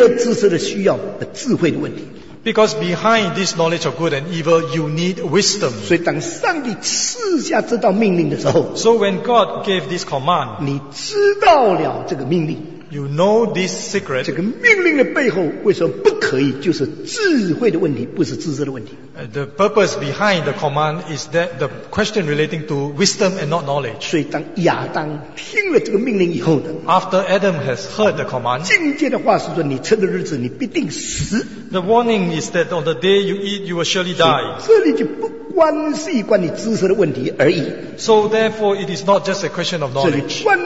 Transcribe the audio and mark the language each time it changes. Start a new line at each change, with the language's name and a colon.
Chinese: 因为知善知恶的知识的背后需要有对这知识的需要的智慧的问题。
English: Because behind this knowledge of good and evil, you need wisdom.
Chinese: 所以当上帝赐下这道命令的时候,
English: So when God gave this command,
Chinese: 你知道了这个命令,
English: You know this secret.
Chinese: 这个命令的背后为什么不可以, 就是智慧的问题, 不是知识的问题。
English: The purpose behind the command is that the question relating to wisdom and not knowledge.
Chinese: 所以当亚当听了这个命令以后呢,
English: After Adam has heard the command,
Chinese: 境界的话是说, 你吃的日子, 你必定死。
English: The warning is that on the day you eat, you will surely die.
Chinese: 这里就不关系关于知识的问题而已。
English: So therefore, it is not just a question of knowledge.